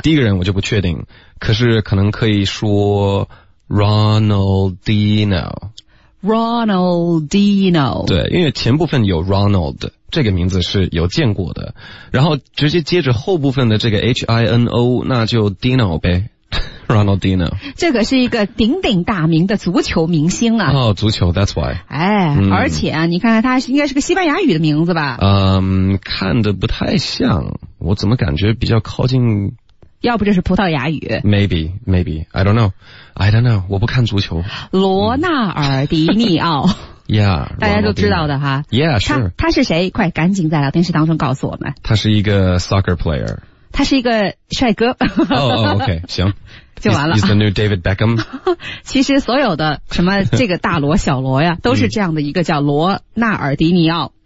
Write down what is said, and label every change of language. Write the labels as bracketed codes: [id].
[zh] 第一个人我就不确定可是可能可以说 Ronaldinho 对因为前部分有 Ronald 这个名字是有见过的然后直接接着后部分的这个 H-I-N-O 那就 Dino 呗 Ronaldinho 这个是一个鼎鼎大名的足球明星啊哦足球 [en] That's why [zh] 哎、嗯、而且啊你看看他应该是个西班牙语的名字吧嗯看得不太像我怎么感觉比较靠近要不就是葡萄牙语 [en] Maybe I don't know I don't know [zh] 我不看足球罗纳尔迪尼奥 [en] Yeah, [zh] 大家都知道的哈 [en] Yeah, sure [zh] 他是谁快赶紧在聊天室当中告诉我们他是一个 [en] soccer player [zh] 他是一个帅哥 OK 行就完了 [en] He's the new David Beckham [zh] 其实所有的什么这个大罗小罗呀都是这样的一个叫罗纳尔迪尼奥